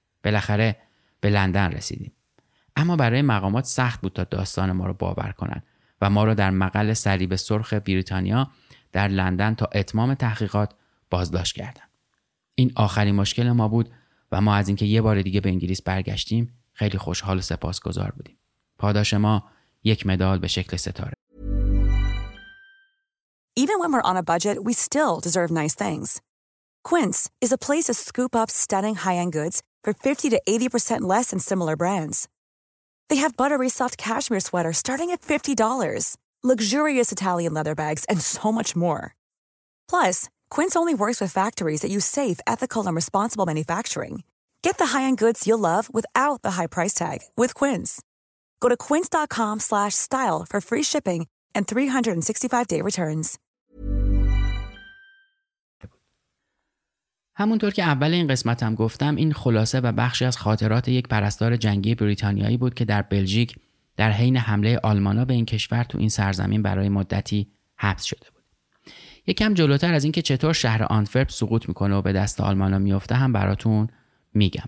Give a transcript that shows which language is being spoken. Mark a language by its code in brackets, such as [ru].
[fa] بالاخره به لندن رسیدیم. اما برای مقامات سخت بود تا داستان ما رو باور کنن و ما رو در مقر صلیب سرخ بریتانیا در لندن تا اتمام تحقیقات بازداشت کردن. این آخرین مشکل ما بود و ما از اینکه یه بار دیگه به انگلیس برگشتیم خیلی خوشحال و سپاسگزار بودیم. پاداش ما یک مدال به شکل ستاره. [en] Even when we're on a budget, we still deserve nice things. Quince is a place to scoop up stunning high-end goods for 50 to 80% less than similar brands. They have buttery soft cashmere sweaters starting at $50, luxurious Italian leather bags, and so much more. Plus, Quince only works with factories that use safe, ethical, and responsible manufacturing. Get the high-end goods you'll love without the high price tag with Quince. Go to quince.com/style for free shipping and 365-day returns. [fa] همونطور که اول این قسمت هم گفتم، این خلاصه و بخشی از خاطرات یک پرستار جنگی بریتانیایی بود که در بلژیک در حین حمله آلمانا به این کشور تو این سرزمین برای مدتی حبس شده بود. یکم جلوتر از اینکه چطور شهر آنتورپ سقوط میکنه و به دست آلمانا میفته هم براتون میگم.